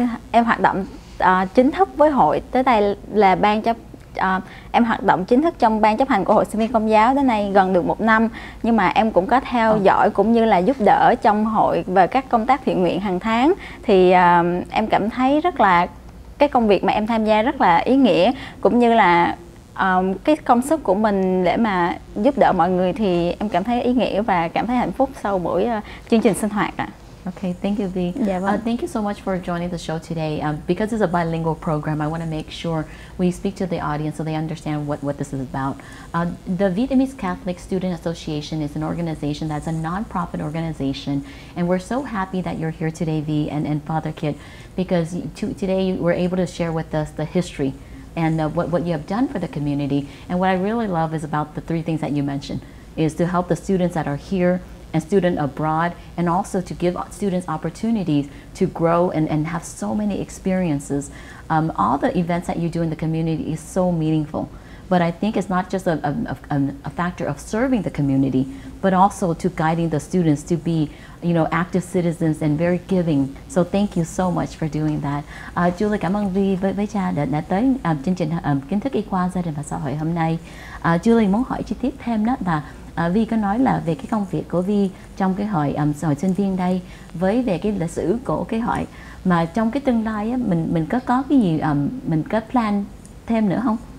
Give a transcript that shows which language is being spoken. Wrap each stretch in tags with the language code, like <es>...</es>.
<vi>Em hoạt động chính thức với hội tới đây là ban chấp em hoạt động chính thức trong ban chấp hành của hội sinh viên Công giáo đến nay gần được 1 năm, nhưng mà em cũng có theo dõi cũng như là giúp đỡ trong hội về các công tác thiện nguyện hàng tháng. Thì em cảm thấy rất là cái công việc mà em tham gia rất là ý nghĩa, cũng như là cái công sức của mình để mà giúp đỡ mọi người thì em cảm thấy ý nghĩa và cảm thấy hạnh phúc sau buổi chương trình sinh hoạt.</vi> <en>Okay, thank you, Vi. Yeah, well. Thank you so much for joining the show today. Because it's a bilingual program, I want to make sure we speak to the audience so they understand what this is about. The Vietnamese Catholic Student Association is an organization that's a nonprofit organization, and we're so happy that you're here today, Vi, and Father Kit, because today you were able to share with us the history and what you have done for the community. And what I really love is about the three things that you mentioned, is to help the students that are here and student abroad, and also to give students opportunities to grow and have so many experiences. All the events that you do in the community is so meaningful. But I think it's not just a factor of serving the community, but also to guiding the students to be, you know, active citizens and very giving. So thank you so much for doing that.</en> <vi>Julie, cảm ơn Vy với cha đã tới chương trình kiến thức y khoa gia đình và xã hội hôm nay. Julie muốn hỏi chi tiết thêm đó là Vy có nói là về cái công việc của Vy trong cái hội hội sinh viên đây, với về cái lịch sử của cái hội, mà trong cái tương lai á, mình có cái gì mình có plan thêm nữa không?</vi>